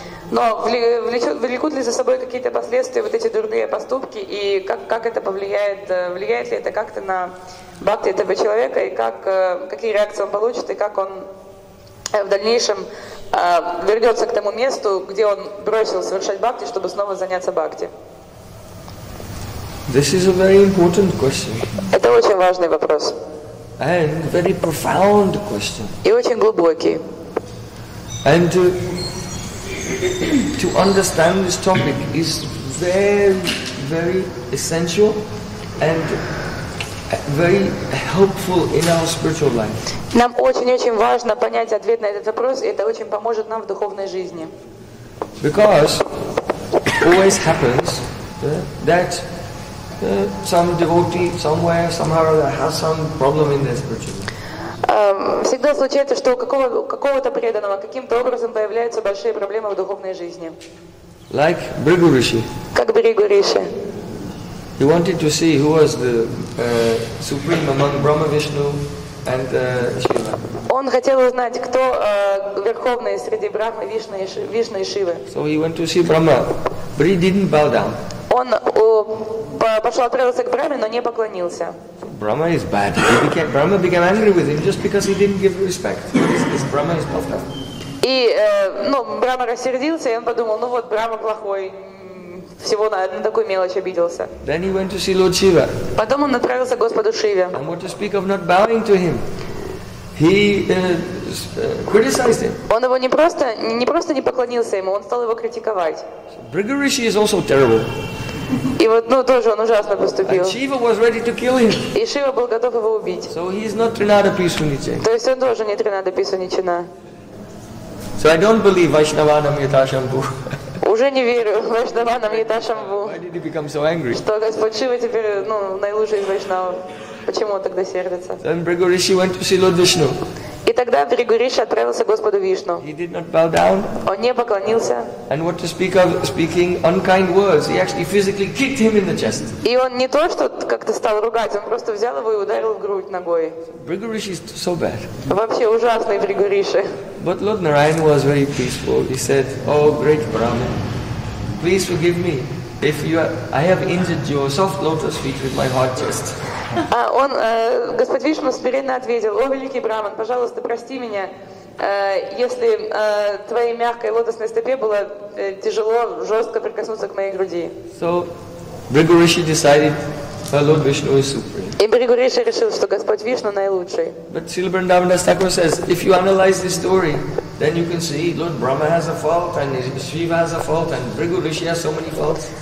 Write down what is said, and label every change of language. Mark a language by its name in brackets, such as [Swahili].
[Russian] Но влекут ли за собой какие-то последствия вот эти дурные поступки, и как это повлияет, влияет ли это как-то на бхакти этого человека, и какие реакции он получит, и как он в дальнейшем вернется к тому месту, где он бросил совершать бхакти, чтобы снова заняться бхакти. [English] This is a very important question. [Russian] Это очень важный вопрос. [English] And very profound question. [Russian] И очень глубокий. [English] And to understand this topic is very, very essential and very helpful in our spiritual life. [Russian] Нам очень-очень важно понять ответ на этот вопрос, и это очень поможет нам в духовной жизни. [English] Because always happens that some devotee somewhere somehow or other has some problem in their spiritual life. [Russian] Всегда случается, что у какого-то преданного каким-то образом появляются большие проблемы в духовной жизни. [English] Like Бригу Риши. [Russian] Как Бригу Риши. [English] He wanted to see who was the supreme among Brahma, Vishnu, and Shiva. [Russian] Он хотел узнать, кто верховный среди Брахмы, Вишны и Шивы. [English] So he went to see Brahma, but he didn't bow down. [Russian] Он пошел отправился к Брахме, но не поклонился. [English] Brahma is bad. Brahma became angry with him just because he didn't give respect. This Brahma is bad. [Russian] И Брахма рассердился, и он подумал, Брахма плохой. Всего на такую мелочь обиделся. [English] Then he went to see Lord Shiva. [Russian] Потом он отправился к Господу Шиве. [English] And what to speak of not bowing to him? He criticized him. [Russian] Он его не просто не поклонился ему, он стал его критиковать. [English] Бригу Риши is also terrible. [Russian] И тоже он ужасно поступил. [English] And Shiva was ready to kill him. [Russian] И Шива был готов его убить. [English] So he is not Trinadapisunicha. [Russian] То есть он тоже не Trinadapisunicha. [English] So I don't believe Vaishnavanam Yathashambhu. [Russian] Уже не верю вайшнаванам йаташамбу. [English] So [Russian] что Господь Шива теперь наилучший из вайшнавов? Почему он тогда сердится? [English] Then Бригу Риши went to see Lord Vishnu. [Russian] И тогда Бригу Риши отправился к Господу Вишну. [English] He did not bow down. [Russian] Он не поклонился. [English] And what to speak of speaking unkind words? He actually physically kicked him in the chest. [Russian] И он не то что как-то стал ругать, он просто взял его и ударил в грудь ногой. [English] Бригу Риши is so bad. [Russian] Вообще ужасный Бригу Риши. [English] But Lord Narayan was very peaceful. He said, "Oh, great Brahman, please forgive me if I have injured your soft lotus feet with my hot chest." [Russian] Он, Господь Вишну смиренно ответил: "О великий Брахман, пожалуйста, прости меня, если твоей мягкой лотосной стопе было тяжело жестко прикоснуться к моей груди." [English] So, Бригу Риши decided. Lord Vishnu is supreme. [Russian] И Бригу Риши решил, что Господь Вишну наилучший. [English] But Srila Vrindavana Thakur says, if you analyze this story, then you can see Lord Brahma has a fault, and Shiva has a fault, and Bhrigu Rishi has so many faults.